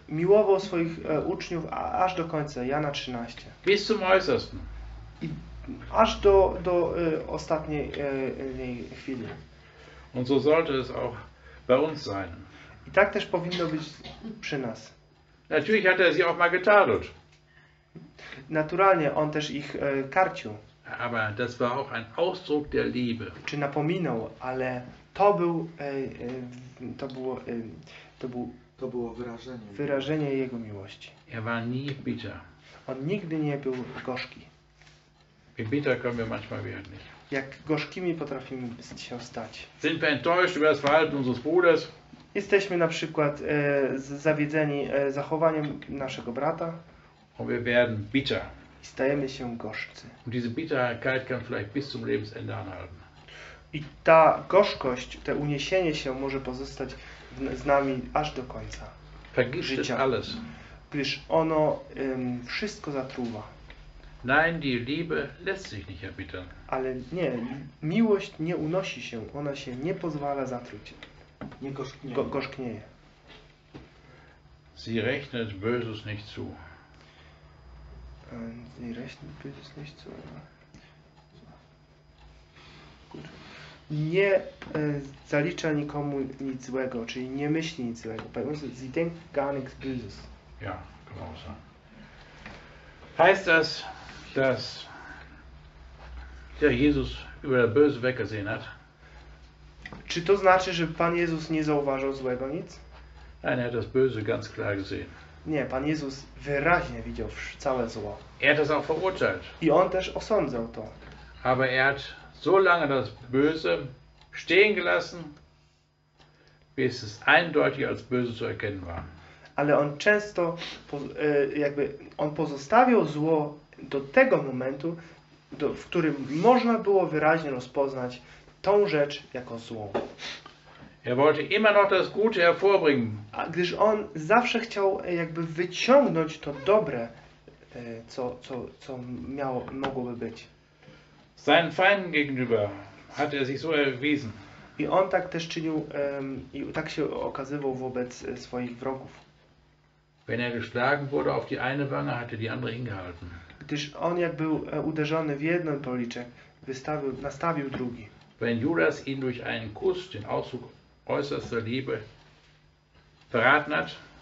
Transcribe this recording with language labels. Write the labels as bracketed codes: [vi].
[pl] Miłował swoich uczniów aż do końca, Jana 13. [de] Bis zum Äußersten. [pl] I aż do ostatniej chwili. [de] Und so sollte es auch bei uns sein. [pl] I tak też powinno być przy nas. [de] Natürlich hat er sie auch mal getadelt. [pl] Naturalnie, on też ich karcił. [de] Aber das war auch ein Ausdruck der Liebe. [pl] Czy napominał, ale to było wyrażenie jego miłości. [de] Er war nie bitter. [pl] On nigdy nie był gorzki. [de] Wie bitter können wir manchmal werden. [pl] Jak gorzkimi potrafimy się stać. [de] Sind wir enttäuscht über das Verhalten unseres Bruders? [pl] Jesteśmy na przykład zawiedzeni zachowaniem naszego brata. [de] Und wir werden bitter. [pl] I stajemy się gorzcy. [de] Und diese Bitterkeit kann vielleicht bis zum Lebensende anhalten. [pl] I ta gorzkość, to uniesienie się może pozostać z nami aż do końca [de] Vergiftet [pl] życia. [de] Alles. [pl] Gdyż ono wszystko zatruwa. [de] Nein, die Liebe lässt sich nicht erbittern. [pl] Ale nie, miłość nie unosi się, ona się nie pozwala zatruć. Nie gorzknieje. [de] Sie rechnet Böses nicht zu. Sie rechnet Böses nicht zu. Gut. [pl] Nie zalicza nikomu nic złego, czyli nie myśli nic złego. [de] Bei uns ist sie denkt gar nichts Böses. Ja, genau so. Heißt das, dass der Jesus über das Böse weggesehen hat? [pl] Czy to znaczy, że Pan Jezus nie zauważył złego nic? [de] Nein, er hat das Böse ganz klar gesehen. [pl] Nie, Pan Jezus wyraźnie widział całe zło. [de] Er hat es auch verurteilt. [pl] I on też osądzał to. [de] Aber er hat so lange das Böse stehen gelassen, bis es eindeutig als böse zu erkennen war. [pl] Ale on często jakby on pozostawiał zło do tego momentu, w którym można było wyraźnie rozpoznać tą rzecz jako złą. [de] Er wollte immer noch das Gute hervorbringen. [pl] A gdyż on zawsze chciał jakby wyciągnąć to dobre, co miało, mogłoby być. [de] Seinen Feinden gegenüber hat er sich so erwiesen. [pl] I on tak też czynił i tak się okazywał wobec swoich wrogów. [de] Wenn er geschlagen wurde auf die eine Wange, hatte die andere hingehalten. [pl] Gdyż on jak był uderzony w jeden policzek, nastawił drugi. [de] Wenn Judas ihn durch einen Kuss den Ausdruck äußerster Liebe verraten hat.